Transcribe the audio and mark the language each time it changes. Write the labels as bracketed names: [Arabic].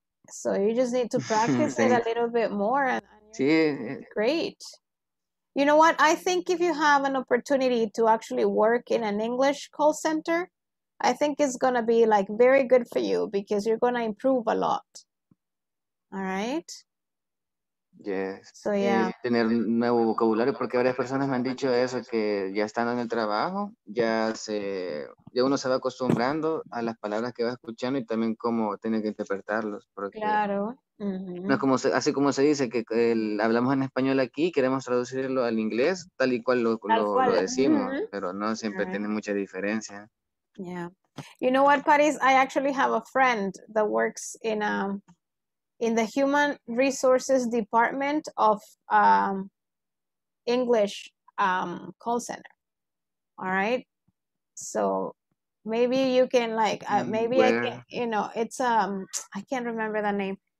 [English] So you just need to practice it a little bit more and you're great. You know what? I think if you have an opportunity to actually work in an English call center, I think it's going to be like very good for you because you're going to improve a lot. All right? Yes. So yeah. [Spanish] Tener nuevo vocabulario porque varias personas me han dicho eso, que ya estando en el trabajo, ya uno se va acostumbrando a las palabras que va escuchando y también cómo tiene que interpretarlos. Porque claro. Uh-huh. No es como así como se dice que hablamos en español aquí y queremos traducirlo al inglés tal y cual lo decimos, uh-huh. pero no siempre right. tiene mucha diferencia. [English] Yeah. You know what, Paris? I actually have a friend that works in the human resources department of English call center. All right. So maybe you can like, maybe where? I can, you know, it's, I can't remember the name.